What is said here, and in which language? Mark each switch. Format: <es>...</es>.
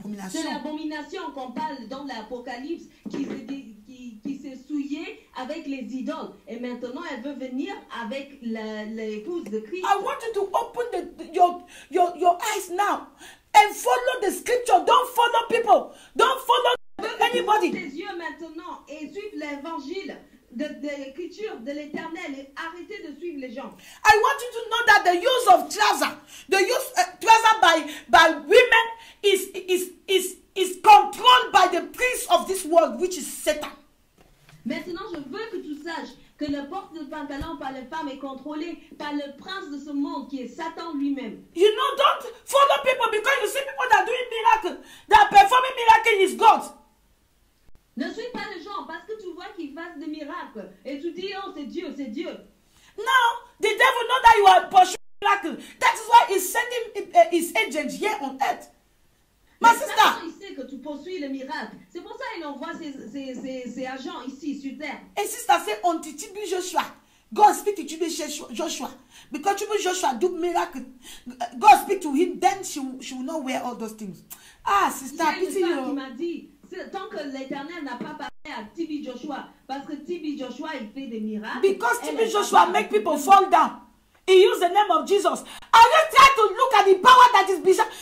<fr>C'est l'abomination qu'on parle dans l'Apocalypse qui s'est souillée avec les idoles. Et maintenant, elle veut venir avec l'épouse de Christ.</fr> <en>I want you to open your eyes now and follow the scripture. Don't follow people. Don't follow anybody.</en> <fr>Ouvre tes yeux maintenant et suive l'évangile. De l'écriture de l'Éternel et arrêtez de suivre les gens.</fr> <en>I want you to know that the use of trousers, by women is controlled by the prince of this world, which is Satan.</en> <fr>Maintenant, je veux que tu saches que la porte de pantalon par les femmes est contrôlée par le prince de ce monde qui est Satan lui-même.</fr> <en>You know, don't follow people because you see people that doing miracles, that performing miracles is God.</en> <fr>Ne suis pas les gens parce que tu vois qu'ils fassent des miracles et tu dis, oh, c'est Dieu, c'est Dieu.</fr> <en>No, the devil knows that you are pursuing miracles. That is why he's sending his agents here on earth.</en> <fr>Ma sister, il sait que tu poursuis le miracle. C'est pour ça qu'il envoie ses agents ici sur terre. Et si ça c'est on te tue</fr> <en>Joshua, God speak to you, Joshua, because you will Joshua do miracle. God speak to him, then she will not wear all those things.</en> <fr>Ah, sister, pitié. Il m'a dit, tant que l'Éternel n'a pas parlé à TB Joshua, parce que TB Joshua il fait des miracles.</fr> <en>Because TB Joshua make people fall down. He used the name of Jesus. Are you trying to look at the power that is beside?</en>